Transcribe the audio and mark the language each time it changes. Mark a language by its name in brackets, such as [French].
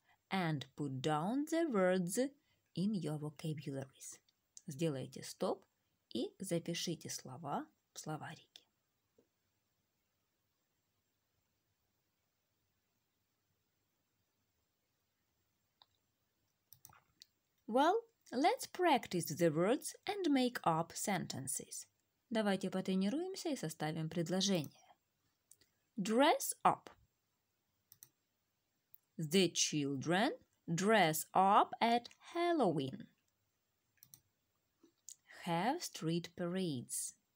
[English] and put down the words in your vocabularies. [Russian] Сделайте стоп и запишите слова в словарике. [English] Well, let's practice the words and make up sentences. [Russian] Давайте потренируемся и составим предложение. [English] Dress up. The children dress up at Halloween. Have street parades.